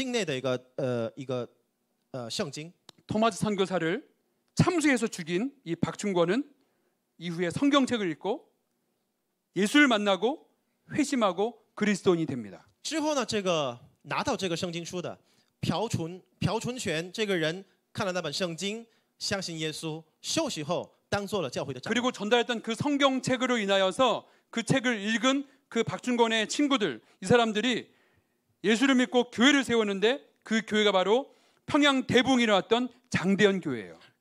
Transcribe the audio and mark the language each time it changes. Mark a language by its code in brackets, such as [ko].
[zh] 这个是从这个这本圣经就是从中国翻译成韩文之后，第一次进入到的进入到这个朝鲜境内的一个圣经。 [ko] 토마스 선교사를 참수해서 죽인 이 박충권은 이후에 성경책을 읽고 예수를 만나고 회심하고 그리스도인이 됩니다. [zh] 之后呢，这个拿到这个圣经书的朴纯权这个人看了那本圣经，相信耶稣，受洗后当做了教会的长。 [ko] 그리고 전달했던 그 성경책으로 인하여서 그 책을 읽은 그 박충권의 친구들 이 사람들이 예수를 믿고 교회를 세웠는데 그 교회가 바로 평양 대붕이 일어났던 장대현 교회예요.